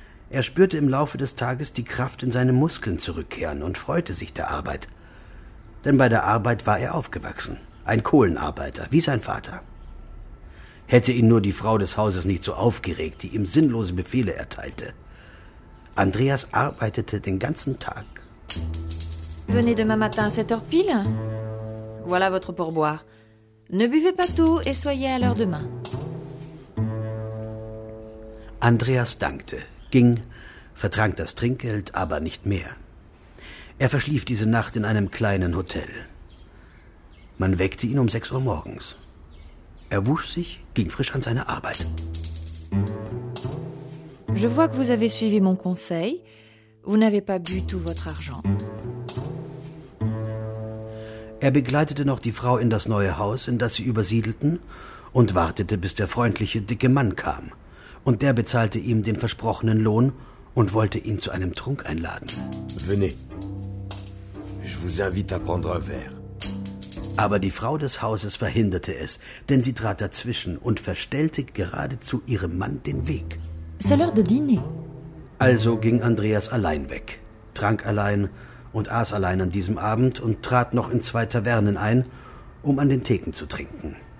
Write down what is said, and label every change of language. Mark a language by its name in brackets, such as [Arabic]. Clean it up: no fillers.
[German] Er spürte im Laufe des Tages die Kraft in seine Muskeln zurückkehren und freute sich der Arbeit. Denn bei der Arbeit war er aufgewachsen, ein Kohlenarbeiter, wie sein Vater. Hätte ihn nur die Frau des Hauses nicht so aufgeregt, die ihm sinnlose Befehle erteilte. Andreas arbeitete den ganzen Tag. [French] Venez demain matin à 7h pile. Voilà votre pourboire. Ne buvez pas tout et soyez à l'heure demain. [German] Andreas dankte, ging, vertrank das Trinkgeld, aber nicht mehr. Er verschlief diese Nacht in einem kleinen Hotel. Man weckte ihn um 6 Uhr morgens. Er wusch sich, ging frisch an seine Arbeit. [French] Je vois que vous avez suivi mon conseil. Vous n'avez pas bu tout votre argent. [German] Er begleitete noch die Frau in das neue Haus, in das sie übersiedelten, und wartete, bis der freundliche, dicke Mann kam. Und der bezahlte ihm den versprochenen Lohn und wollte ihn zu einem Trunk einladen. [French] Venez. Je vous invite à prendre un verre. [German] Aber die Frau des Hauses verhinderte es, denn sie trat dazwischen und verstellte geradezu ihrem Mann den Weg. [French] C'est l'heure de dîner. [German] Also ging Andreas allein weg, trank allein und aß allein an diesem Abend und trat noch in 2 Tavernen ein, um an den Theken zu trinken.